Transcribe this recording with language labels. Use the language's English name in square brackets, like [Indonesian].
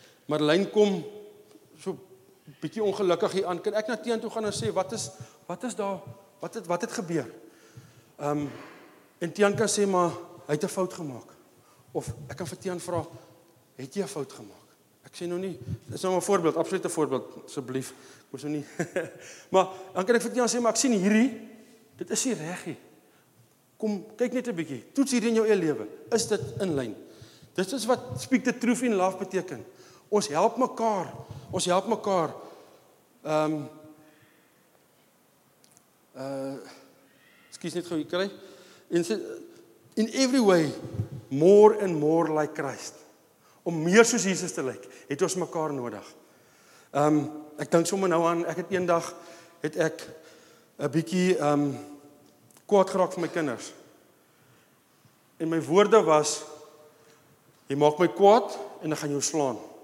[Afrikaans] Marlijn kom so bietjie ongelukkig hier aan. Kan ek na Tian toe gaan en sê wat het gebeur? En Tian kan sê maar hy het 'n fout gemaak. Of ek kan vir Tian vra, het jy 'n fout gemaak? Ek sê nou nie, dis nou 'n voorbeeld, absolute voorbeeld asseblief. Ek moes nou nie. Maar dan kan ek vir Tian sê maar ek sien hierdie, dit is nie reg nie. Kom, kyk net 'n bietjie. Toets hier in jou eie lewe. Is dit in lyn? Dis is wat [English] speak the truth in love [Afrikaans] beteken. Ons help mekaar. Ons help mekaar. Skuis net gou hier kry. [English] In every way more and more like Christ. [Afrikaans] Om meer soos Jesus te lyk, het ons mekaar nodig. Ek dink sommer nou aan, ek het eendag het ek 'n bietjie kwaad geraak vir my kinders. En my woorde was, jy maak my kwaad, en ek gaan jou slaan.